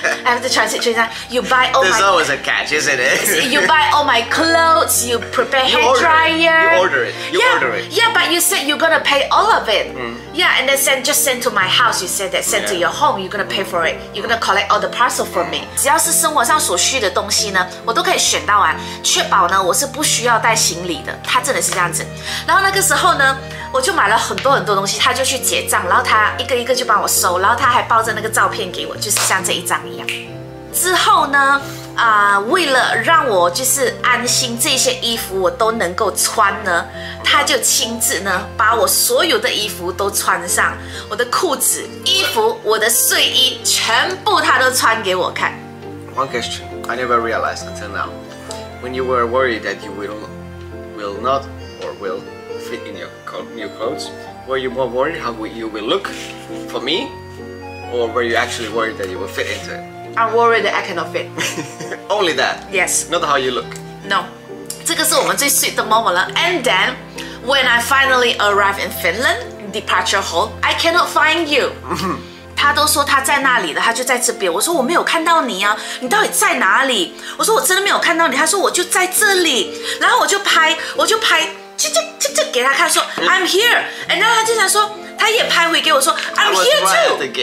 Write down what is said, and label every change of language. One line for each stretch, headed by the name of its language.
English: I have to transit three times. You buy all There's always a catch, isn't it? You buy all my clothes. You prepare hair dryer. You order it. Yeah, but you said you're gonna pay all of it. Mm. Yeah, and then send to my house. You said that send to your home. You're gonna pay for it. You're gonna collect all the parcel for me.
Chinese: 只要是生活上所需的东西呢，我都可以选到完，确保呢我是不需要带行李的。他真的是这样子。然后那个时候呢，我就买了很多很多东西，他就去结账，然后他一个一个就帮我收，然后他还抱着那个照片给我，就是像这一张一样。之后呢，为了让我就是安心，这些衣服我都能够穿呢，他就亲自呢把我所有的衣服都穿上，我的裤子、衣服、我的睡衣，全部他都穿给我看。
English: One question, I never realized until now, when you were worried that you will not or will fit in your new clothes, were you more worried how you will look for me, or were you actually worried that you will fit into it? I'm worried that I cannot fit. Only that? Yes. Not how you look? No. This is our most sweet moment. Right? And then, when I finally arrive in Finland, departure hall, I cannot find you.
Chinese: 他都说他在那里的，他就在这边。我说我没有看到你啊，你到底在哪里？我说我真的没有看到你。他说我就在这里，然后我就拍，就给他看，说
English: I'm here。
Chinese: 然后他竟然说他也拍回给我说
English: I'm here too。